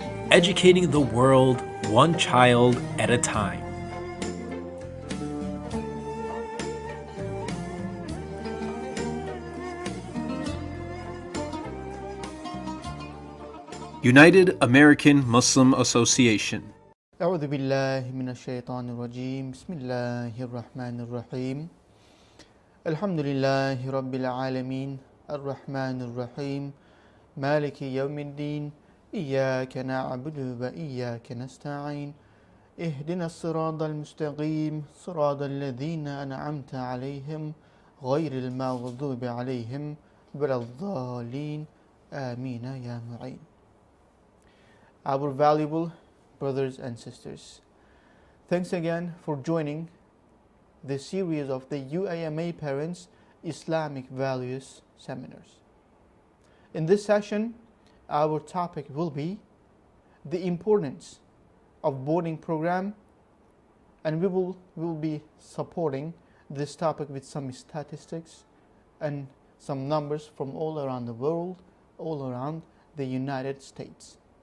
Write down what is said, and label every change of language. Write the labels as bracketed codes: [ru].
[en] Educating the world one child at a time. United American Muslim Association. [ar] أعوذ بالله من الشيطان الرجيم بسم الله الرحمن الرحيم الحمد لله رب العالمين الرحمن الرحيم مالك يوم الدين إياك نعبد وإياك نستعين اهدنا الصراط المستقيم صراط الذين أنعمت عليهم غير المغضوب عليهم ولا الضالين آمين يا معين. [en] Our valuable brothers and sisters, thanks again for joining the series of the UAMA Parents Islamic Values Seminars. In this session, our topic will be the importance of boarding program, and we will be supporting this topic with some statistics and some numbers from all around the world, all around the United States.